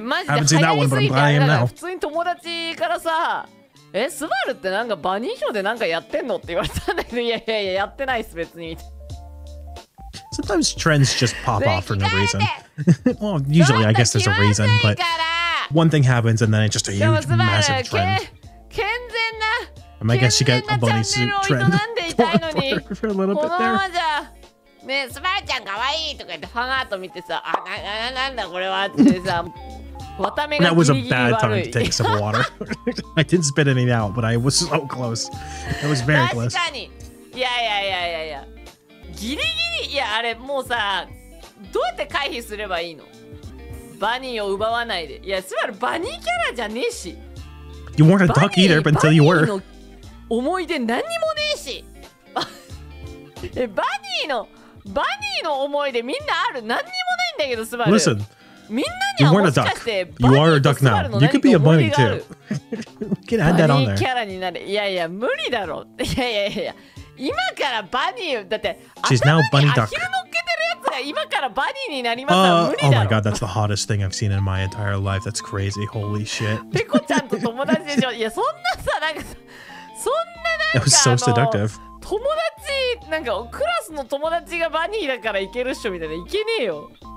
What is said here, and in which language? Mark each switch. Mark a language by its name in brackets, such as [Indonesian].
[Japanese] マジで流行りすぎて、普通に友達からさ、スバルってなんかバニー賞でなんかやってんのって言われたんだけど、いや、やってないっす、別に。 [English] Sometimes trends just pop off for no reason. Well, usually I guess there's a reason, but one thing happens and then it's just a huge, massive trend. [Japanese] 健全な、 [English] and I guess you get a bunny suit trend for a little bit there. [Japanese] ねえ、スバルちゃんかわいいとか言ってファンアート見てさ、あ、なんだこれはってさ、わた目がギリギリ悪い。 [English] That was a bad time to take some water. I didn't spit any out, but I was so close. It was very close. [Japanese] 確かに。いや。ギリギリ、いや、あれもうさ、どうやって回避すればいいの？バニーを奪わないで。いや、スバルバニーキャラじゃねえし。 [English] You weren't a duck either, but until you were. [Japanese] バニーの思い出何にもねえし。バニーの思い出みんなある、何にもないんだけど、スバル。 [English] Listen, [Japanese] みんなにはもしかして、 [English] You are a duck now. You could be a bunny too. You can add that on there. [Japanese] バニーキャラになる。いや、無理だろ。いや。今からバニー、だって、 [English] She's now bunny duck. [Japanese] 頭にアヒル乗っけてるやつが今からバニーになりますから、無理だろ。 [English] Oh my god, that's the hottest thing I've seen in my entire life. That's crazy. Holy shit. [Japanese] ペコちゃんと友達でしょ。いや、そんなさ、なんか、そんななんか、 [English] That was so seductive. [Japanese] 友達、なんかクラスの友達がバニーだからいけるっしょみたいな、いけねえよ。